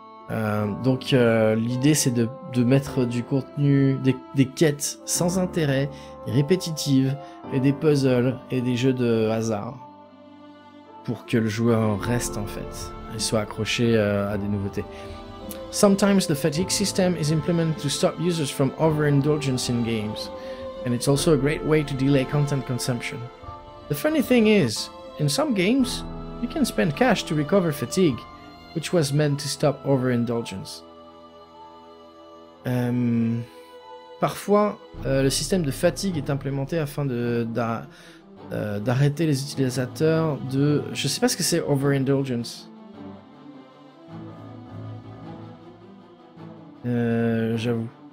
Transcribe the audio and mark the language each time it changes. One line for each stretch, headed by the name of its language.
French: L'idée, c'est de mettre du contenu, des quêtes sans intérêt, répétitives, et des puzzles et des jeux de hasard pour que le joueur reste, en fait, et soit accroché à des nouveautés.
English: Sometimes the fatigue system is implemented to stop users from overindulgence in games, and it's also a great way to delay content consumption. The funny thing is, in some games, you can spend cash to recover fatigue, which was meant to stop overindulgence.
French: Parfois, le système de fatigue est implémenté afin d'arrêter les utilisateurs de... Je sais pas ce que c'est overindulgence. J'avoue.